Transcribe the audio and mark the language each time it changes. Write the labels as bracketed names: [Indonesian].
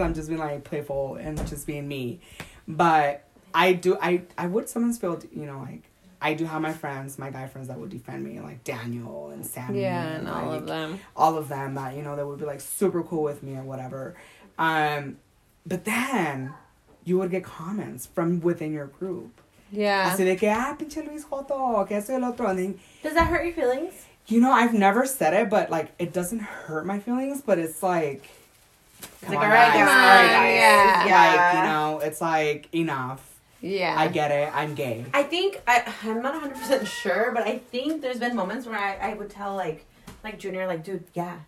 [English] I'm just being, like, playful and just being me. But I do, I would sometimes feel, you know, like, I do have my friends, my guy friends that would defend me, like Daniel and Sammy. Yeah, and all like, of them. All of them that, you know, that would be, like, super cool with me or whatever. But then you would get comments from within your group. Yeah. [Spanish] Así de que, ah, pinche Luis Joto, que eso y el otro. [English] Does that hurt your feelings? You know, I've never said it, but, like, it doesn't hurt my feelings, but it's, like... It's like, alright, guys. Yeah. You know, it's like, enough. Yeah. I get it. I'm gay. I think, I'm not 100% sure, but I think there's been moments where I would tell, like Junior, like, dude, yeah.